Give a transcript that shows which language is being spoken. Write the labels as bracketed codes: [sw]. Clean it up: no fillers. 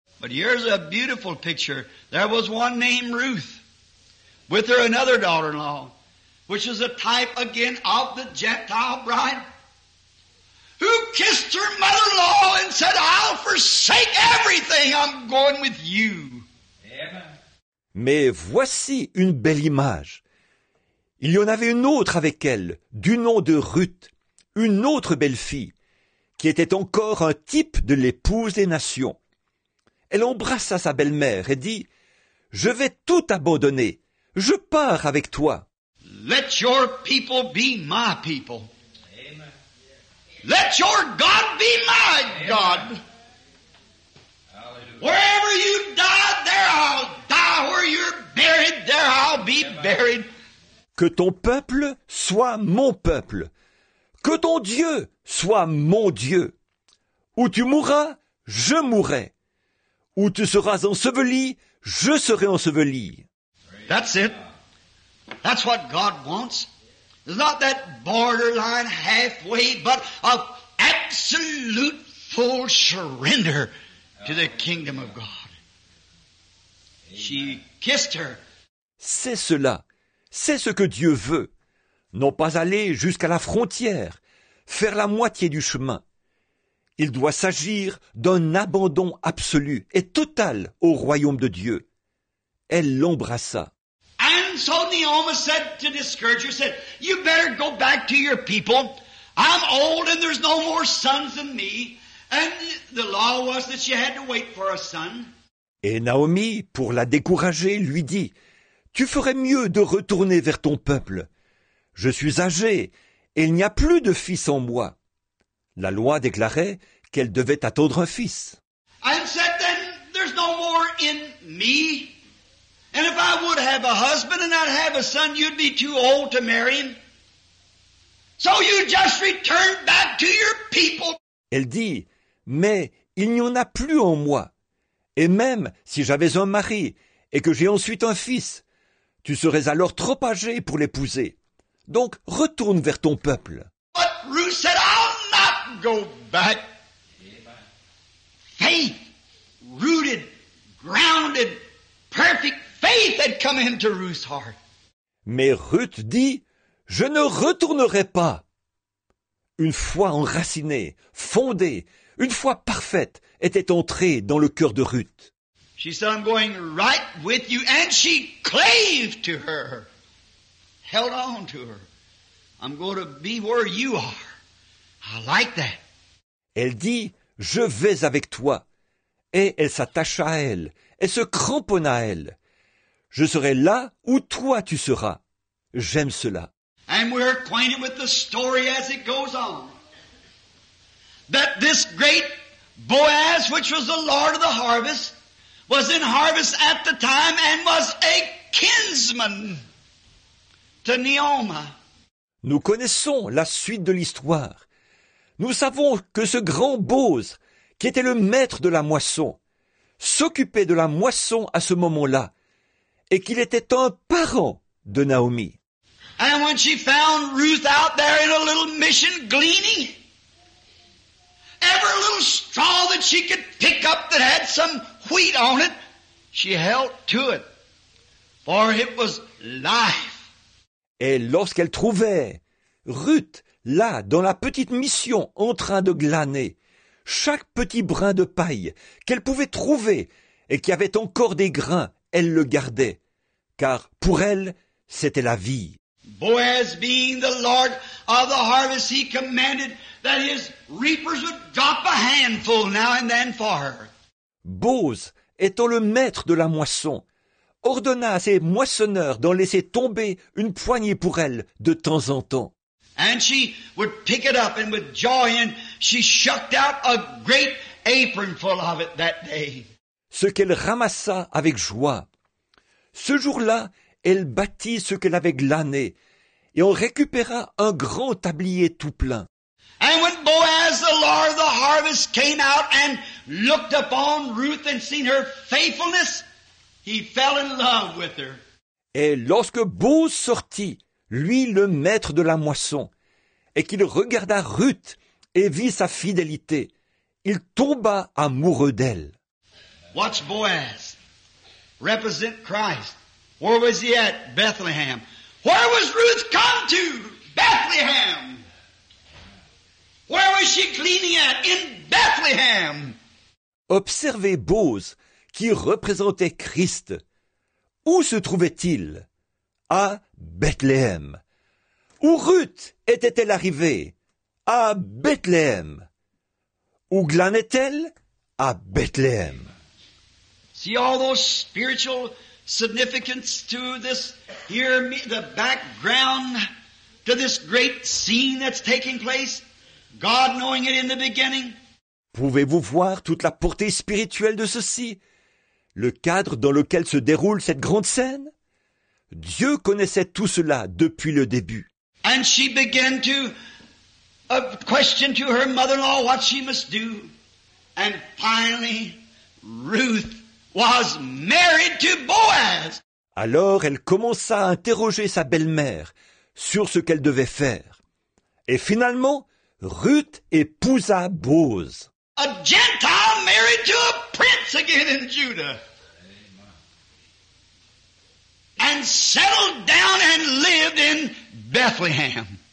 [en] But here's a beautiful picture. There was one named Ruth with her another daughter-in-law, which is a type again of the Gentile bride. Who kissed her mother-in-law and said, I'll forsake everything, I'm going with you. Amen. [fr] Mais voici une belle image. Il y en avait une autre avec elle, du nom de Ruth, une autre belle-fille, qui était encore un type de l'épouse des nations. Elle embrassa sa belle-mère et dit, je vais tout abandonner, je pars avec toi. [en] Let your people be my people. Let your God be my God. Amen. Wherever you die, there I'll die. Where you're buried, there I'll be buried. [fr] Que ton peuple soit mon peuple. Que ton Dieu soit mon Dieu. Où tu mourras, je mourrai. Où tu seras enseveli, je serai enseveli. [en] That's it. That's what God wants. Not that borderline halfway, but of absolute full surrender to the kingdom of God. She kissed her. [fr] C'est cela. C'est ce que Dieu veut. Non pas aller jusqu'à la frontière, faire la moitié du chemin. Il doit s'agir d'un abandon absolu et total au royaume de Dieu. Elle l'embrassa. [en] And so Naomi said to discourage her, said, you better go back to your people. I'm old and there's no more sons than me. And the law was that she had to wait for a son. [fr] Et Naomi, pour la décourager, lui dit, tu ferais mieux de retourner vers ton peuple. Je suis âgée et il n'y a plus de fils en moi. La loi déclarait qu'elle devait attendre un fils. [en] And said then, there's no more in me. And if I would have a husband and I'd have a son, you'd be too old to marry him. So you just return back to your people. [fr] Elle dit, mais il n'y en a plus en moi. Et même si j'avais un mari et que j'ai ensuite un fils, tu serais alors trop âgé pour l'épouser. Donc retourne vers ton peuple. [en] But Ruth said, I'll not go back. Faith, rooted, grounded, perfect. Faith had come into Ruth's heart. [fr] Mais Ruth dit, je ne retournerai pas. Une foi enracinée, fondée, une foi parfaite était entrée dans le cœur de Ruth. [en] She said, I'm going right with you. And she clave to her, held on to her. I'm going to be where you are. I like that. [fr] Elle dit, je vais avec toi. Et elle s'attacha à elle, elle se cramponna à elle. Je serai là où toi tu seras. J'aime cela. [en] And we're acquainted with the story as it goes on. That this great Boaz, which was the Lord of the harvest, was in harvest at the time and was a kinsman to Naomi. [fr] Nous connaissons la suite de l'histoire. Nous savons que ce grand Boaz, qui était le maître de la moisson, s'occupait de la moisson à ce moment-là. Et qu'il était un parent de Naomi. [en] And when she found Ruth out there in a little mission gleaning, every little straw that she could pick up that had some wheat on it, she held to it, for it was life. [fr] Et lorsqu'elle trouvait Ruth là dans la petite mission en train de glaner, chaque petit brin de paille qu'elle pouvait trouver et qui avait encore des grains, elle le gardait, car pour elle, c'était la vie. [en] Boaz, being the Lord of the harvest, he commanded that his reapers would drop a handful now and then for her. [fr] Boaz, étant le maître de la moisson, ordonna à ses moissonneurs d'en laisser tomber une poignée pour elle de temps en temps. [en] And she would pick it up and with joy and she shucked out a great apron full of it that day. [fr] Ce qu'elle ramassa avec joie. Ce jour-là, elle battit ce qu'elle avait glané et en récupéra un grand tablier tout plein. [en] And when Boaz, the Lord of the harvest, came out and looked upon Ruth and seen her faithfulness, he fell in love with her. [fr] Et lorsque Boaz sortit, lui le maître de la moisson, et qu'il regarda Ruth et vit sa fidélité, il tomba amoureux d'elle. [en] Watch Boaz represent Christ. Where was he at? Bethlehem. Where was Ruth come to? Bethlehem. Where was she cleaning at? In Bethlehem. [fr] Observez Boaz qui représentait Christ. Où se trouvait-il? À Bethlehem. Où Ruth était-elle arrivée? À Bethlehem. Où glanait-elle? À Bethlehem. [en] See all those spiritual significance to this here, me, the background to this great scene that's taking place, God knowing it in the beginning. [fr] Pouvez-vous voir toute la portée spirituelle de ceci? Le cadre dans lequel se déroule cette grande scène? Dieu connaissait tout cela depuis le début. [en] And she began to question to her mother-in-law what she must do. And finally, Ruth was married to Boaz. [fr] Alors elle commença à interroger sa belle-mère sur ce qu'elle devait faire. Et finalement, Ruth épousa Boaz. [en] A Gentile married to a prince again in Judah. And settled down and lived in Bethlehem.